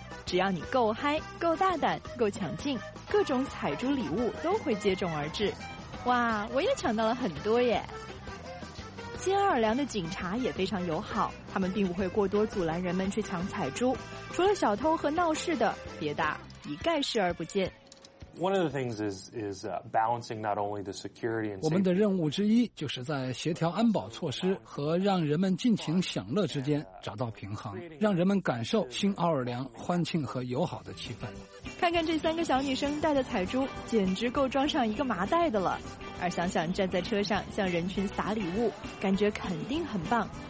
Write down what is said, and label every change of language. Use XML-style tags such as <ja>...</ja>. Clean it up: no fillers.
<zh>只要你够嗨、够大胆、够抢镜，各种彩珠礼物都会接踵而至。哇，我也抢到了很多耶。新奥尔良的警察也非常友好，他们并不会过多阻拦人们去抢彩珠，除了小偷和闹事的，别的一概视而不见。</zh> <en>One of the things is balancing not only the security and safety.</en> <zh>我们的任务之一就是在协调安保措施和让人们尽情享乐之间找到平衡，让人们感受新奥尔良欢庆和友好的气氛。看看这三个小女生戴的彩珠，简直够装上一个麻袋的了。而想想站在车上向人群撒礼物，感觉肯定很棒。</zh>